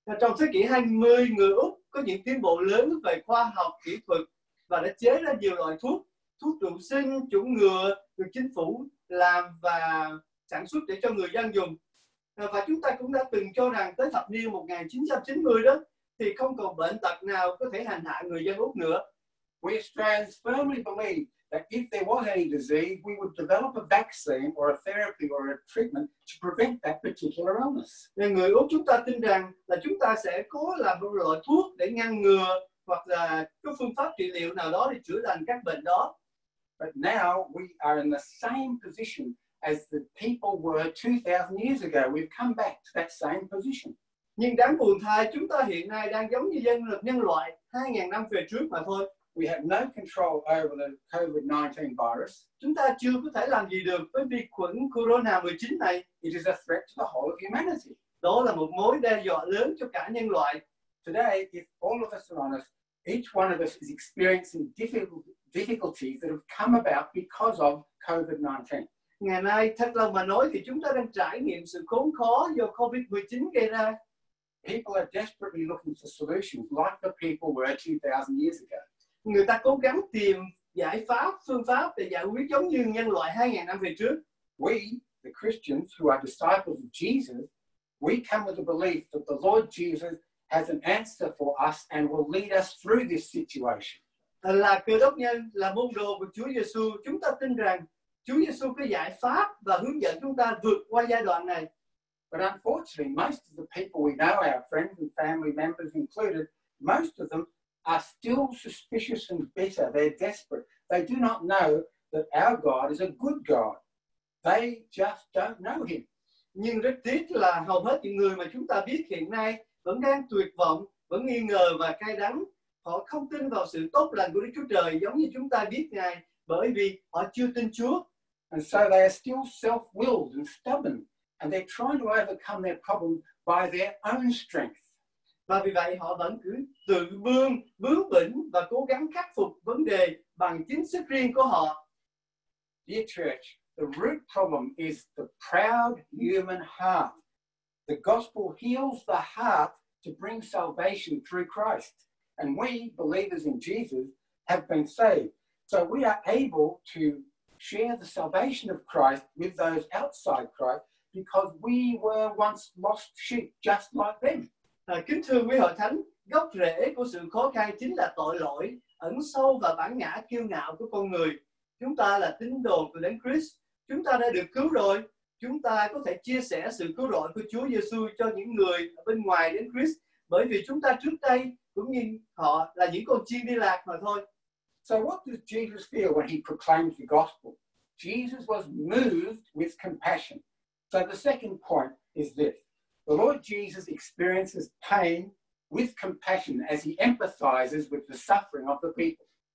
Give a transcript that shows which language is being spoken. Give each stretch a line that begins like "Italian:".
Vietnamese: Trong thế kỷ 20, người Úc có những tiến bộ lớn về khoa học, kỹ thuật và đã chế ra nhiều loại thuốc. Thuốc trụ sinh, chủng ngừa được chính phủ làm và sản xuất để cho người dân dùng. Và chúng ta cũng đã từng cho rằng tới thập niên 1990 đó thì không còn bệnh tật nào có thể hành hạ người dân Úc nữa.
English: We Australians firmly believe that if there was any disease, we would develop a vaccine or a therapy or a treatment to prevent that particular illness.
Vietnamese: Nên người Úc chúng ta tin rằng là chúng ta sẽ có làm một loại thuốc để ngăn ngừa hoặc là có phương pháp trị liệu nào đó để chữa lành các bệnh đó.
English: But now we are in the same position as the people were 2,000 years ago. We've come back to that same position.
Vietnamese: Nhưng đáng buồn thay, chúng ta hiện nay đang giống như nhân loại 2,000 năm về trước mà thôi.
English: We have no control over the COVID-19 virus.
Vietnamese: Chúng ta chưa có thể làm gì được với vi khuẩn corona 19 này.
English: It is a threat to the whole of humanity.
Vietnamese: Đó là một mối đe dọa lớn cho cả nhân loại.
English: Today, if all of us are honest, each one of us is experiencing difficulties that have come about because of COVID-19.
Vietnamese: Ngày nay, thật lòng mà nói thì chúng ta đang trải nghiệm sự khốn khó do COVID-19 gây ra.
English: People are desperately looking for solutions like the people were 2,000 years ago.
Vietnamese: Người ta cố gắng tìm giải pháp, phương pháp để giải quyết giống như nhân loại 2,000 năm về trước.
English: We, the Christians who are disciples of Jesus, we come with the belief that the Lord Jesus has an answer for us and will lead us through this situation.
Vietnamese: Là Cơ Đốc nhân, là môn đồ của Chúa Giêsu, chúng ta tin rằng Chúa Giêsu có giải pháp và hướng dẫn chúng ta vượt qua giai đoạn này.
English: But unfortunately, most of the people we know, our friends and family members included, most of them are still suspicious and bitter. They're desperate. They do not know that our God is a good God. They just don't know him.
Vietnamese: Nhưng rất tiếc là hầu hết những người mà chúng ta biết hiện nay vẫn đang tuyệt vọng, vẫn nghi ngờ và cay đắng. Họ không tin vào sự tốt lành của Đức Chúa Trời giống như chúng ta biết Ngài, bởi vì họ chưa tin Chúa.
English: And so they are still self-willed and stubborn, and they're trying to overcome their problem by their own strength.
Vietnamese: Và vì vậy họ vẫn cứ tự bướng bỉnh và cố gắng khắc phục vấn đề bằng chính sức riêng của họ.
English: Dear church, the root problem is the proud human heart. The gospel heals the heart to bring salvation through Christ. And we, believers in Jesus, have been saved. So we are able to share the salvation of Christ with those outside Christ because we were once lost sheep, just like them.
Vietnamese: Kính thưa quý hội thánh, gốc rễ của sự khó khăn chính là tội lỗi, ẩn sâu và bản ngã kiêu ngạo của con người. Chúng ta là tín đồ của Đấng Christ, chúng ta đã được cứu rồi. Chúng ta có thể chia sẻ sự cứu rỗi của Chúa Giêsu cho những người ở bên ngoài đến Christ bởi vì chúng ta trước đây cũng như họ là những con chiên đi lạc mà thôi.
English: So what does Jesus feel when he proclaims the gospel? Jesus was moved with compassion. So the second point is this. The Lord Jesus experiences pain with compassion as he empathizes with the suffering of the people.